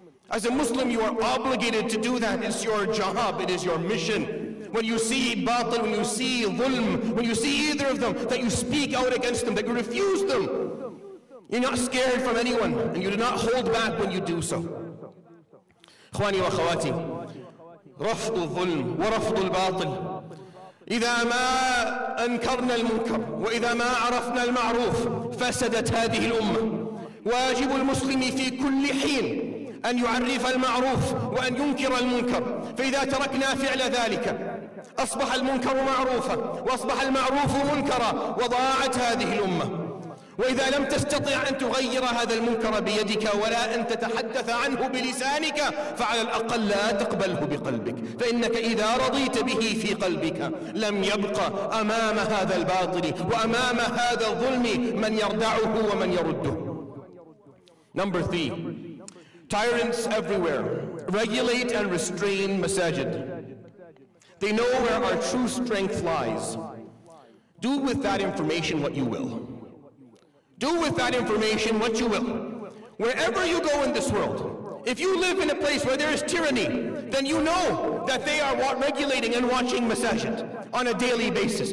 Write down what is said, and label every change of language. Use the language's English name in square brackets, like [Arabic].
[English] As a Muslim, you are obligated to do that. It's your job, it is your mission. When you see batil, when you see dhulm, when you see either of them, that you speak out against them, that you refuse them. You're not scared from anyone, and you do not hold back when you do so. [Arabic] إخواني وأخواتي, رفض الظلم ورفض الباطل. إذا ما أنكرنا المنكر وإذا ما عرفنا المعروف فسدت هذه الأمة. واجب المسلم في كل حين أن يعرف المعروف وأن ينكر المنكر. فإذا تركنا فعل ذلك أصبح المنكر معروفا وأصبح المعروف منكرا وضاعت هذه الأمة. وإذا لم تستطع أن تغير هذا المنكر بيدك ولا أن تتحدث عنه بلسانك فعلى الأقل لا تقبله بقلبك, فإنك إذا رضيت به في قلبك لم يبقى أمام هذا الباطل وأمام هذا الظلم من يردعه ومن يرده. [English] Number three, tyrants everywhere regulate and restrain masajid. They know where our true strength lies. Do with that information what you will. Do with that information what you will. Wherever you go in this world, if you live in a place where there is tyranny, then you know that they are regulating and watching masajid on a daily basis.